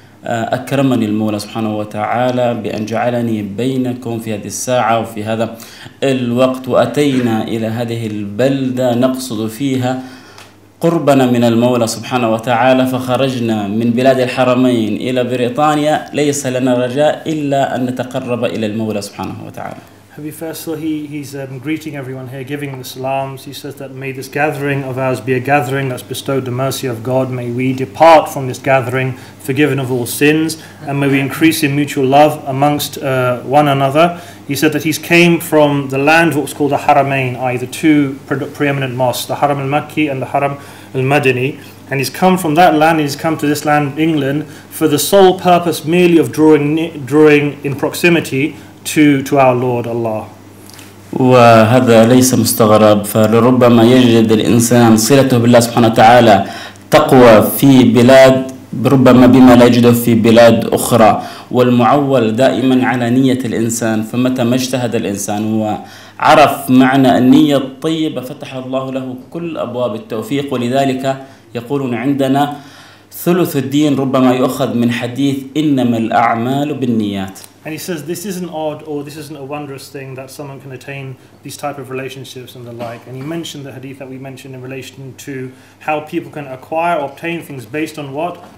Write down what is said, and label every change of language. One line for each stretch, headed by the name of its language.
Arabic: أكرمني المولى سبحانه وتعالى بأن جعلني بينكم في هذه الساعة وفي هذا الوقت، وأتينا إلى هذه البلدة نقصد فيها قربنا من المولى سبحانه وتعالى، فخرجنا من بلاد الحرمين إلى بريطانيا، ليس لنا رجاء إلا أن نتقرب إلى المولى سبحانه وتعالى.
English: Habib Faisal, he's greeting everyone here, giving the salams. He says that may this gathering of ours be a gathering that's bestowed the mercy of God. May we depart from this gathering forgiven of all sins, and may we increase in mutual love amongst one another. He said that he's came from the land of what's called the Haramain, i.e. the two preeminent mosques, the Haram al-Makki and the Haram al-Madani. And he's come from that land, he's come to this land, England, for the sole purpose merely of drawing in proximity to our Lord Allah.
Arabic: وهذا ليس مستغرب، فلربما يجد الإنسان صلته بالله سبحانه وتعالى تقوى في بلاد ربما بما لا يجده في بلاد أخرى، والمعول دائما على نية الإنسان، فمتى ما اجتهد الإنسان وعرف معنى النية الطيبة فتح الله له كل أبواب التوفيق. ولذلك يقولون عندنا ثلث الدين ربما يؤخذ من حديث إنما الأعمال بالنيات.
English: And he says, this isn't odd or this isn't a wondrous thing that someone can attain these type of relationships and the like. And he mentioned the hadith that we mentioned in relation to how people can acquire or obtain things based on what?